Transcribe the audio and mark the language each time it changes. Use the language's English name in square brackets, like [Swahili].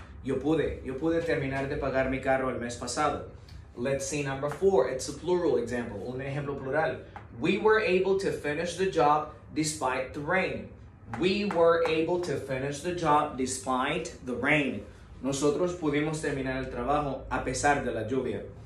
[Spanish] Yo pude terminar de pagar mi carro el mes pasado. [English] Let's see number four. It's a plural example. [Spanish] Un ejemplo plural. [English] We were able to finish the job despite the rain. We were able to finish the job despite the rain. [Spanish] Nosotros pudimos terminar el trabajo a pesar de la lluvia.